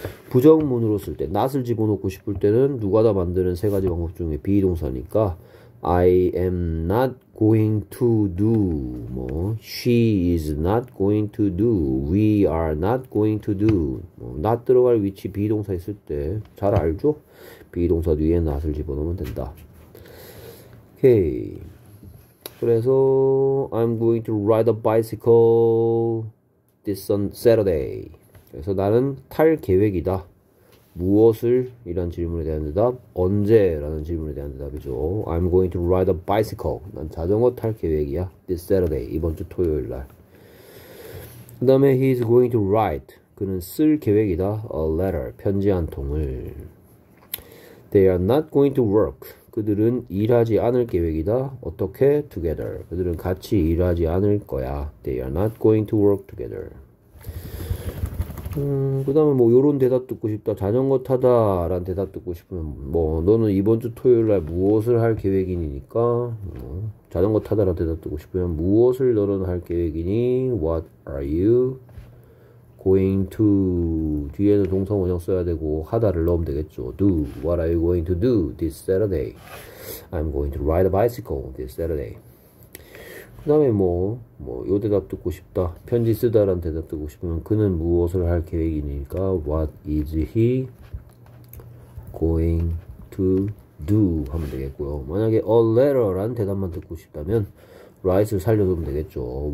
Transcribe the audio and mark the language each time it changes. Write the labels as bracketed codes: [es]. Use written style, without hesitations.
[ko] 부정문으로 쓸 때, 낫을 집어넣고 싶을 때는 누가다 만드는 세 가지 방법 중에 비동사니까 [en] I am not going to do, [ko] 뭐, [en] she is not going to do, we are not going to do, [ko] 뭐, not 들어갈 위치 비동사 있을 때잘 알죠? 비동사 뒤에 낫을 집어넣으면 된다. 오케이. 그래서 [en] I'm going to ride a bicycle this on Saturday. [ko] 그래서 나는 탈 계획이다. 무엇을? 이런 질문에 대한 대답. 언제? 라는 질문에 대한 대답이죠. [en] I'm going to ride a bicycle. [ko] 난 자전거 탈 계획이야. [en] This Saturday. [ko] 이번 주 토요일 날. 그 다음에 [en] he's going to write. [ko] 그는 쓸 계획이다. [en] A letter. [ko] 편지 한 통을. [en] They are not going to work. [ko] 그들은 일하지 않을 계획이다. 어떻게? Together. 그들은 같이 일하지 않을 거야. [en] They are not going to work together. [ko] 그 다음에 뭐 요런 대답 듣고 싶다. 자전거 타다 라는 대답 듣고 싶으면 뭐 너는 이번 주 토요일 날 무엇을 할 계획이니까 자전거 타다 라는 대답 듣고 싶으면 무엇을 너는 할 계획이니? [en] What are you going to? [ko] 뒤에는 동사 원형 써야 되고 하다를 넣으면 되겠죠. [en] Do. What are you going to do this Saturday? I'm going to ride a bicycle this Saturday. [ko] 그 다음에 뭐, 요 대답 듣고 싶다. 편지 쓰다란 대답 듣고 싶으면 그는 무엇을 할 계획이니까 [en] What is he going to do? [ko] 하면 되겠고요. 만약에 a letter란 대답만 듣고 싶다면 write을 살려두면 되겠죠.